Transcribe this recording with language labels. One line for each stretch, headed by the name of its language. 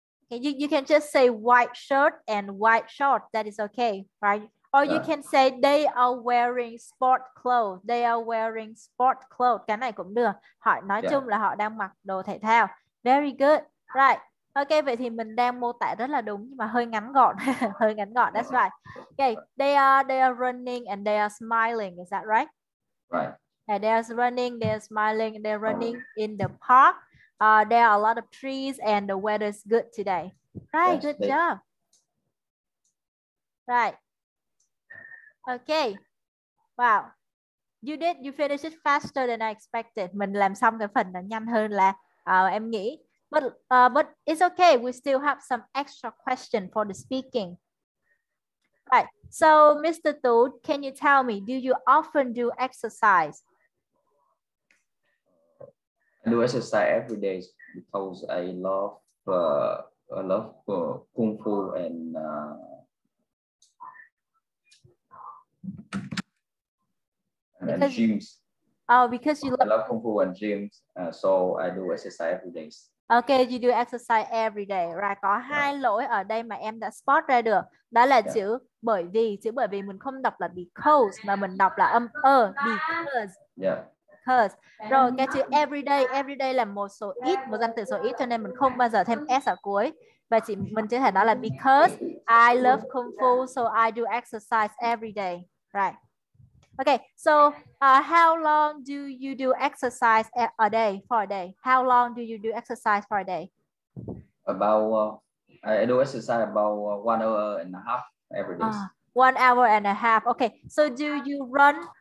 English: You can just say white shirt and white short. That is okay, right? Or you can say they are wearing sport clothes. They are wearing sport clothes.
Vietnamese: Cái này cũng được. Họ nói chung là họ đang mặc đồ thể thao.
English: Very good, right?
Vietnamese: Okay, vậy thì mình đang mô tả rất là đúng nhưng mà hơi ngắn gọn, hơi ngắn gọn.
English: That's right. Okay, they are running and they are smiling. Is that right? Right. And they are running. They are smiling. They are running in the park. There are a lot of trees and the weather is good today. Right, yes, good job. Right. Okay. Wow. You finished it faster than I expected.
Vietnamese: Mình làm xong cái phần nó nhanh hơn là em nghĩ.
English: But it's okay. We still have some extra question for the speaking. Right. So, Mr. Tu, can you tell me, do you often do exercise? I do exercise every day because I love kung fu and gyms. Oh, because you love kung fu and gyms, so I do exercise every day. Okay, you do exercise every day, right?
Vietnamese: Có hai lỗi ở đây mà em đã spot ra được. Đó là chữ bởi vì, mình không đọc là because mà mình đọc là âm ơ, because.
English: Yeah. Because.
Vietnamese: Rồi cái chữ everyday là một số ít, một danh từ số ít, cho nên mình không bao giờ thêm s ở cuối. Và mình chỉ thể nói là
English: because I love kung fu, so I do exercise every day, right? Okay, so how long do you do exercise a day for a day? How long do you do exercise for a day? About 1.5 hours every day. 1.5 hours. Okay, so do you run?